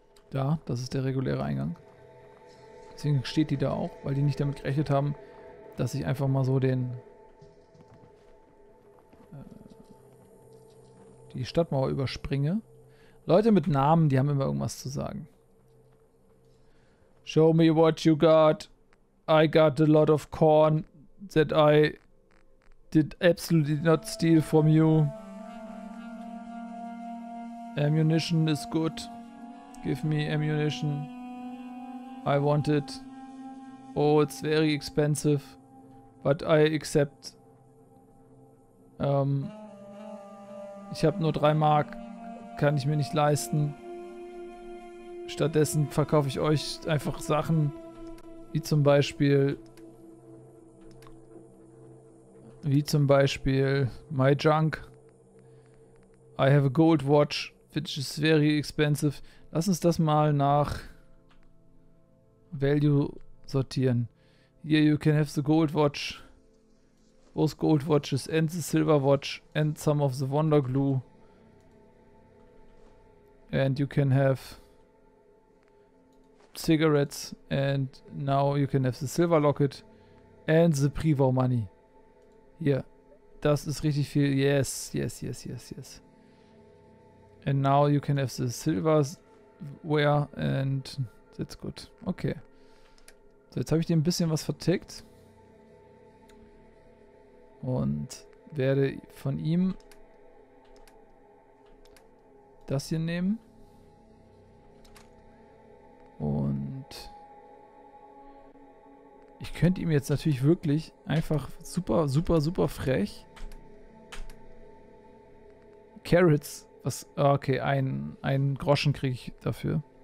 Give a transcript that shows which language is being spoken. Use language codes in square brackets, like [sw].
[de] Da, das ist der reguläre Eingang. Deswegen steht die da auch, weil die nicht damit gerechnet haben, dass ich einfach mal so den die Stadtmauer überspringe. Leute mit Namen, die haben immer irgendwas zu sagen. [en] Show me what you got. I got a lot of corn that I did absolutely not steal from you. Ammunition is good. Give me ammunition. I want it. Oh, it's very expensive, but I accept. [de] Ich habe nur 3 Mark, kann ich mir nicht leisten. Stattdessen verkaufe ich euch einfach Sachen, wie zum Beispiel [en] my junk. I have a gold watch, which is very expensive. [de] Lass uns das mal nach Value sortieren. [en] Here you can have the gold watch, both gold watches and the silver watch and some of the wonder glue. And you can have cigarettes and now you can have the silver locket and the Privo money. [de] Hier, das ist richtig viel. [en] Yes, yes, yes, yes, yes. And now you can have the silverware and that's good. Okay. [de] So, jetzt habe ich dir ein bisschen was vertickt und werde von ihm das hier nehmen und ich könnte ihm jetzt natürlich wirklich einfach super, super, super frech Carrots, was, okay, einen Groschen kriege ich dafür.